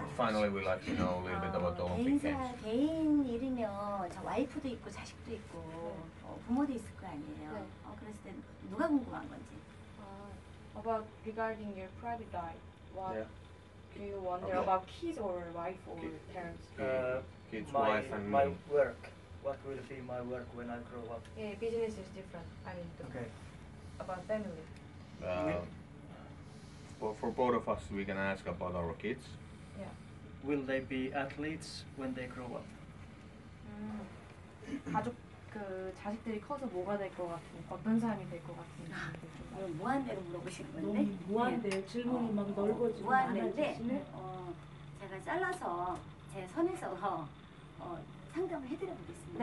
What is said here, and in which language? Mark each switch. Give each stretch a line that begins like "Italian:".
English: Finally, we'd like to know a little bit about the Olympic
Korean: 개인사,
English: Games.
Korean: 개인일이면 저 와이프도 있고 자식도 있고 네. 어, 부모도 있을 거 아니에요. 네. 어, 그랬을 때 누가 궁금한 건지.
English: About regarding your private life, what do you wonder about kids or wife or parents? Kids, wife, and my work. What will be my work when I grow up? Yeah, business is different. I mean, about family. Well, for both of us, we can ask about our kids. Yeah. Will they be athletes when they grow up?
Korean: 가족 그 자식들이 커서 뭐가 될 것 같은 어떤 사람이 될 것 같은 무한대로 물어보시는 건데? 너무 무한대 네. 질문이 어, 막 넓어지고 많아지시네. 어, 제가 잘라서 제 선에서 어, 어, 상담을 해드려 보겠습니다.